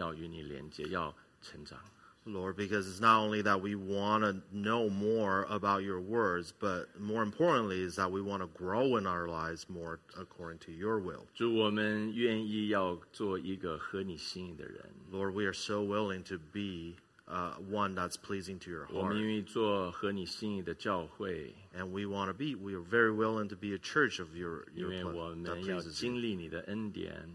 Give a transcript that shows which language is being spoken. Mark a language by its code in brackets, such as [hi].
[zh] 因为主，我们是主，因为不但我们是在对你话语的认识上面，我们希望更充足。我们更重要的是，我们在我们的生命上，主，我们要更要与你连接，要成长。 [en] Lord, because it's not only that we want to know more about your words, but more importantly is that we want to grow in our lives more according to your will. [zh] 主，我们愿意要做一个合你心意的人。 [en] Lord, we are so willing to be one that's pleasing to your heart. [zh] 我们愿意做合你心意的教会。 [en] And we are very willing to be a church of your that pleases you. [zh] 因为我们要经历你的恩典。